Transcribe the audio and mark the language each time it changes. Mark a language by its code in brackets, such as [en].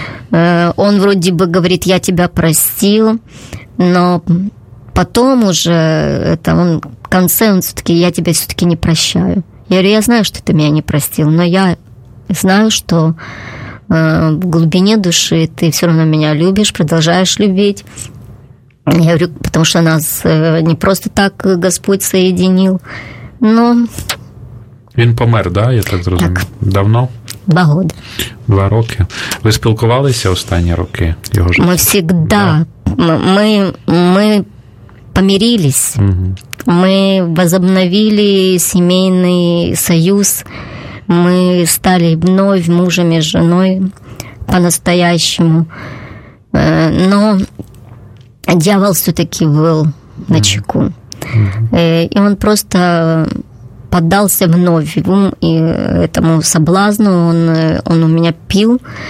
[ru] Он вроде бы говорит, я тебя простил, но потом уже, это он, в конце он все-таки, я тебя все-таки не прощаю. Я говорю, я знаю, что ты меня не простил, но я знаю, что в глубине души ты все равно меня любишь, продолжаешь любить. Я говорю, потому что нас не просто так Господь соединил, но... [uk] Він помер, да, я так зрозумів? Так. Давно? [ru] Два года. [uk] Два роки. Ви спілкувалися останні роки його життя? Ми завжди. Да. Ми помирились. Угу. Ми возобновили сімейний союз. [ru] мы стали вновь мужем и женой по-настоящему. Но дьявол все-таки был на чеку. И он просто поддался вновь и этому соблазну. Он у меня пил.